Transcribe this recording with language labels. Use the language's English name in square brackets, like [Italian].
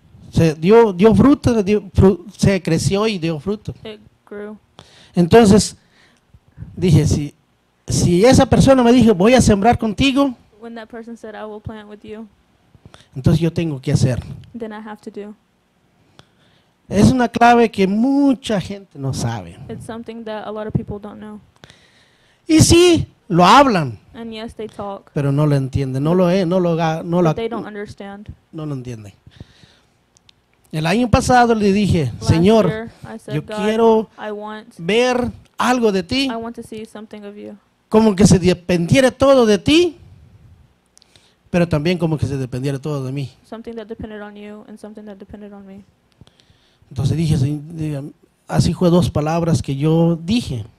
[Spanish] Se dio fruto, se creció y dio fruto. [English] It grew. [Spanish] Entonces dije, si esa persona me dijo, voy a sembrar contigo. [English] When that person said, I will plant with you. [Spanish] Entonces yo tengo que hacer. [English] Then I have to do. [Spanish] Es una clave que mucha gente no sabe. [English] It's something that a lot of people don't know. [Spanish] Y sí, lo hablan. [English] And yes, they talk. [Spanish] Pero no lo entienden, no lo [English] they don't understand. [Spanish] No lo entienden. El año pasado le dije, Señor, yo quiero ver algo de ti. [English] I want to see something of you. [Spanish] Como que se dependiera todo de ti, pero también como que se dependiera todo de mí. [English] Something that depended on you and something that depended on me. [Spanish] Entonces dije, así fue dos palabras que yo dije.